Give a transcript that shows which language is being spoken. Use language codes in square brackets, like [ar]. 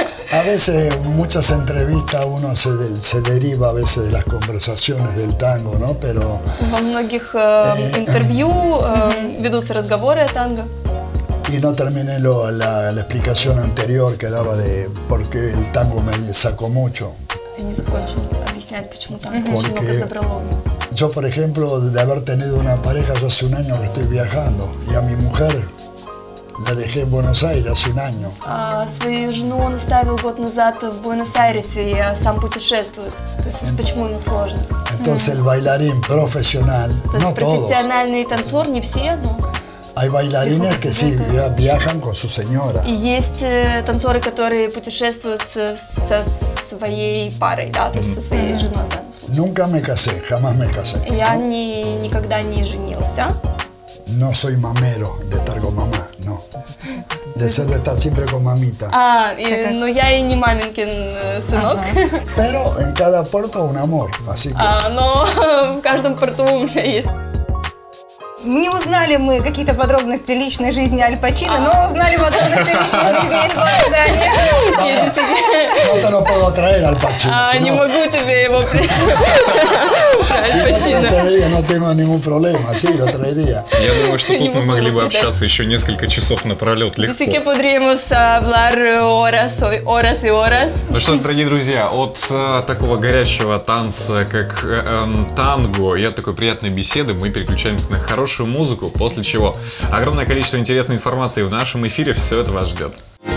[es] A veces muchas entrevistas uno se deriva a veces de las conversaciones del tango, ¿no? Pero [ru] во многих интервью ведутся разговоры о танго. [es] Y no terminé la explicación anterior que daba de por qué el tango me sacó mucho. [ru] Я не закончил объяснять, почему танго очень много забрало. [es] Yo, por ejemplo, de haber tenido una pareja, yo hace un año que estoy viajando, y a mi mujer la dejé en Buenos Aires hace un año. [ru] А свою жену он оставил год назад в Буэнос-Айресе, и сам путешествует. То есть почему ему сложно? [es] Entonces el bailarín profesional, no todos. [ru] Профессиональный танцор не все, но [es] hay bailarines que sí viajan con su señora. [ru] И есть танцоры, которые путешествуют со своей парой, да, то есть со своей женой. Да. [es] Nunca me casé, jamás me casé. [ru] Я никогда не женился. [es] No soy mamero de estar con mamá, no. De ser de estar siempre con mamita. [ru] Но я и не маминкин сынок. [es] Pero en cada puerto un amor, así que. [ru] Но в каждом порту у меня есть. Не узнали мы какие-то подробности личной жизни Аль Пачино, но узнали подробности личной жизни Аль Пачино. [es] No te lo puedo traer, Аль Пачино. [ru] Не могу тебе его Аль Пачино. Я думаю, что тут мы могли бы общаться еще несколько часов напролет легко. [es] Así que podríamos hablar horas, horas y horas. [ru] Ну что, дорогие друзья, от такого горячего танца, как танго, и от такой приятной беседы мы переключаемся на хорошую музыку, после чего огромное количество интересной информации в нашем эфире, все это вас ждет.